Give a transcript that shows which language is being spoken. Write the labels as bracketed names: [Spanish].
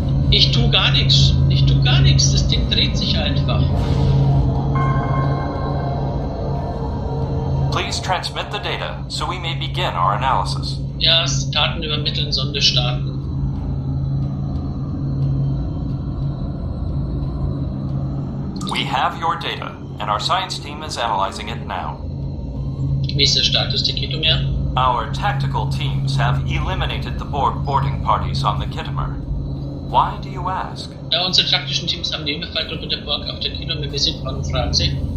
[German] Ich tu gar nichts. Ich tu gar nichts. Das Ding dreht sich einfach. [English] Please transmit the data, so we may begin our analysis. [German] Ja, Daten übermitteln, Sonde starten. [English] We have your data, and our science team is analyzing it now. [German] Wie ist der Status der Kittimer? [English] Our tactical teams have eliminated the Borg boarding parties on the Kittimer. Why do you ask? [German] Ja, unsere taktischen Teams haben die Überfallgruppe der Borg auf der Kittimer besiegt, warum fragen sie?